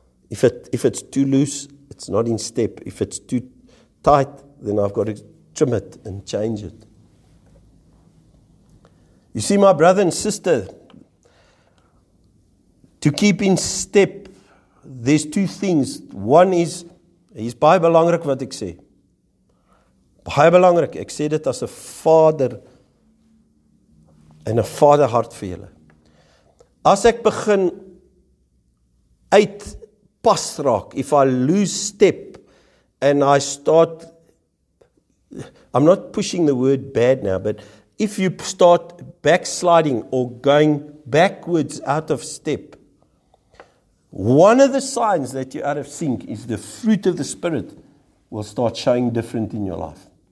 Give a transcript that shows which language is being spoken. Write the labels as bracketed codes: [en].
[en] If it's too loose, it's not in step. If it's too tight, then I've got to trim it and change it. You see, my brother and sister, to keep in step, there's two things. One is [af] baie belangrik wat ek sê. Baie belangrik. Ek sê dit as 'n vader en 'n vaderhart vir julle. As ek begin uit pas raak, [en] if I lose step and I start, I'm not pushing the word bad now, but if you start backsliding or going backwards out of step, one of the signs that you're out of sync is the fruit of the Spirit will start showing different in your life.